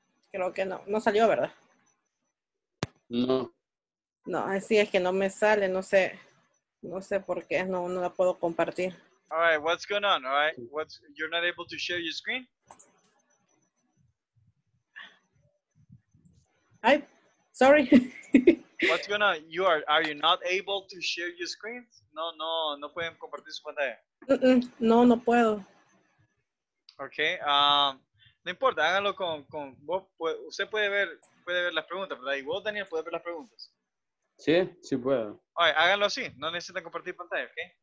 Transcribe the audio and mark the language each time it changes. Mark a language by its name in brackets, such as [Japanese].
[Spanish] Creo que no salió, ¿verdad? No, así es que no me sale, no sé por qué, no la puedo compartir. [English] All right, what's going on? All right, you're not able to share your screen? I, sorry. What's gonna, you are you not able to share your screens? [Spanish] No, no, no pueden compartir su pantalla. No, no puedo. Okay, no importa, háganlo con vos, usted puede ver las preguntas, ¿verdad? Y vos, Daniel, puedes ver las preguntas. Sí, sí puedo. [English] All right, [Spanish] háganlo así, no necesitan compartir pantalla, ¿ok?